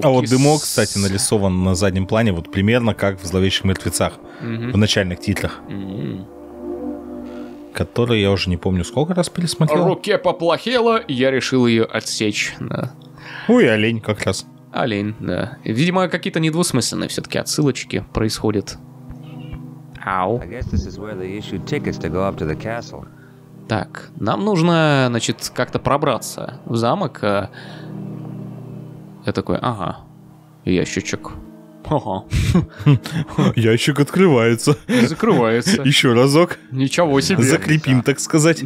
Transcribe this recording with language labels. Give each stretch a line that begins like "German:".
Russian: Kiss. А вот дымок, кстати, нарисован на заднем плане, вот примерно как в «Зловещих мертвецах», в начальных титрах. Который я уже не помню, сколько раз пересмотрел. Руке поплохело, я решил ее отсечь. Да. Ой, олень как раз. Олень, да. Видимо, какие-то недвусмысленные все-таки отсылочки происходят. Ау.
English: I guess this is where they issue tickets to go up to the castle.
Russian: Так, нам нужно, значит, как-то пробраться в замок. Я такой, ага, ящичек. Ага. Ящик открывается. Закрывается. Еще разок. Ничего себе. Закрепим, так сказать.